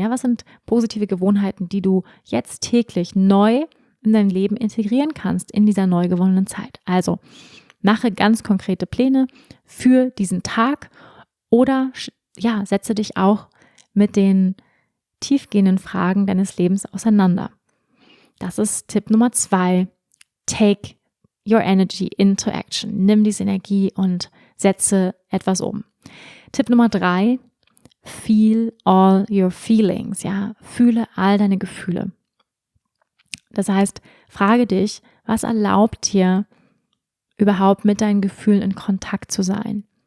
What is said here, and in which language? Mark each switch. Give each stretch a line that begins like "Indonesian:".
German: Ja, was sind positive Gewohnheiten, die du jetzt täglich neu in dein Leben integrieren kannst in dieser neu gewonnenen Zeit? Also, mache ganz konkrete Pläne für diesen Tag oder ja, setze dich auch mit den tiefgehenden Fragen deines Lebens auseinander. Das ist Tipp Nummer 2.
English: Take your energy into action.
German: Nimm diese Energie und setze etwas um. Tipp Nummer 3.
English: Feel all your feelings.
German: Ja, fühle all deine Gefühle. Das heißt, frage dich, was erlaubt dir, überhaupt mit deinen Gefühlen in Kontakt zu sein?